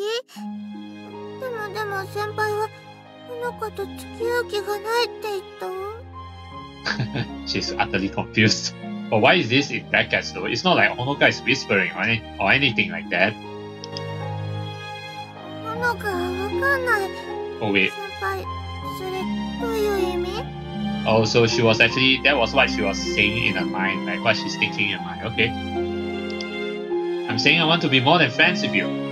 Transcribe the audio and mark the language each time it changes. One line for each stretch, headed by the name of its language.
Japanese: でも先輩はこの子と付き合う気がないって言った。
English: She's utterly confused. But why is this in brackets though? It's not like Honoka is whispering or anything like that.
Japanese: Honoka は分かんない。
English: Oh wait.
Japanese: 先輩、それどういう意味？
English: Oh, so she was actually, that was what she was saying in her mind, like what she's thinking in her mind, okay. I'm saying I want to be more than friends with you.